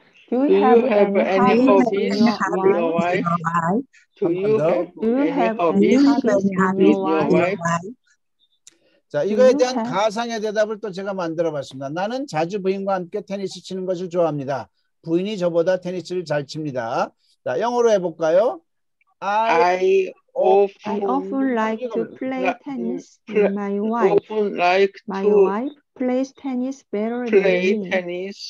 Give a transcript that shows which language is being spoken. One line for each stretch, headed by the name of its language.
English: Do you have any hobbies with your wife?
Korean: 시작.
English: Do you have any hobbies with your wife?
Korean: 자, 이거에 대한 가상의 대답을 또 제가 만들어 봤습니다. 나는 자주 부인과 함께 테니스 치는 것을 좋아합니다. 부인이 저보다 테니스를 잘 칩니다. 자, 영어로 해 볼까요?
English: I often like to play tennis with my wife. My wife plays tennis better than me.